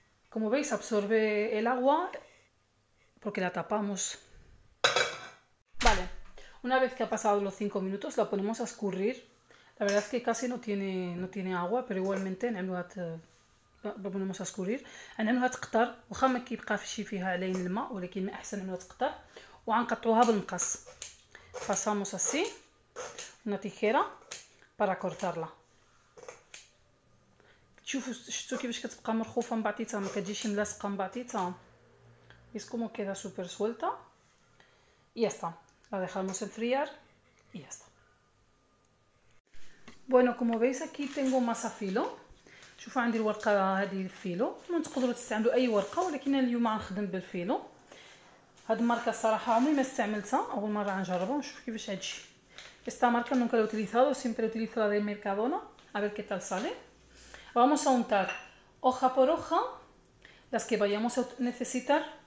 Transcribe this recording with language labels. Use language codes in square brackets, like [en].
[es] Como veis, absorbe el agua porque la tapamos. Vale, una vez que ha pasado los 5 minutos, la ponemos a escurrir. La verdad es que casi no tiene agua, pero igualmente en lo ponemos a escurrir. [ar] En el tqtar, واخا ما كيبقى شي فيها علين الماء ولكن احسن انه تقطر وغنقطعوها بالمقص. [es] Pasamos así una tijera para cortarla. [ar] شوفوا شتو كيفاش كتبقى مرخوفه من بعضيتها ما كتجيش ملاصقه من بعضيتها. [es] Es como queda super suelta. Y ya está. La dejamos enfriar y ya está. Bueno, como veis aquí tengo más filo. [ar] شوفوا عندي الورقه هذه الفيلو ما تقدروا تستعملوا اي ورقه ولكن اليوم غنخدم بالفيلو هاد الماركه الصراحه عمري ما استعملتها اول مره غنجربها ونشوف كيفاش هادشي [es] esta marca nunca la he utilizado siempre utilizo la de Mercadona a ver qué tal sale vamos a untar hoja por hoja las que vayamos a necesitar